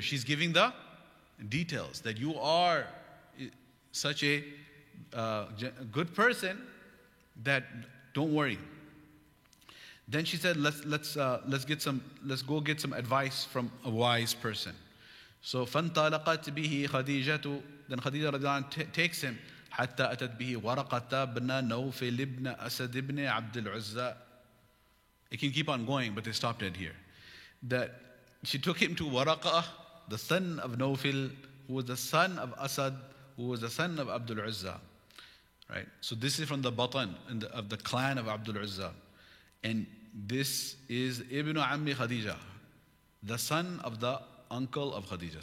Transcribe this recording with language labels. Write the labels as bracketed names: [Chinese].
[English] She's giving the details that you are such a good person that don't worry. Then she said, let's go get some advice from a wise person. [Arabic] So فانطلقت به خديجة then خديجة رضي الله عنها [English] takes him [Arabic] حتى أتت به ورقة ابن نوفل ابن أسد ابن عبد العزى. [English] It can keep on going, but they stopped it here. That she took him to Waraqah, the son of Nawfil, who was the son of Asad, who was the son of Abdul Uzza. Right? So this is from the Batan, of the clan of Abdul Uzza. And this is Ibn Ammi Khadija, the son of the uncle of Khadija.